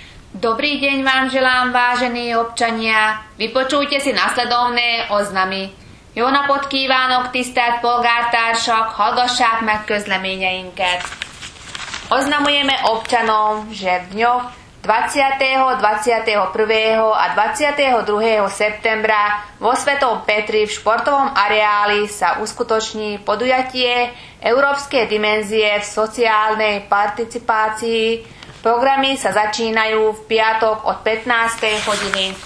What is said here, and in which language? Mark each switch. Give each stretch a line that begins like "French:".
Slovak: Dobrý deň vám želám, vážení občania. Vypočujte si nasledovné oznamy.
Hungarian: Jóna podkívánok tisztelt polgártársak, hallgassák meg közleményeinket.
Slovak: Oznamujeme občanom, že v dňoch 20., 21. a 22. septembra vo Svetom Petri v športovom areáli sa uskutoční podujatie Európskej dimenzie v sociálnej participácii. Programy sa začínajú v piatok od 15. hodiny.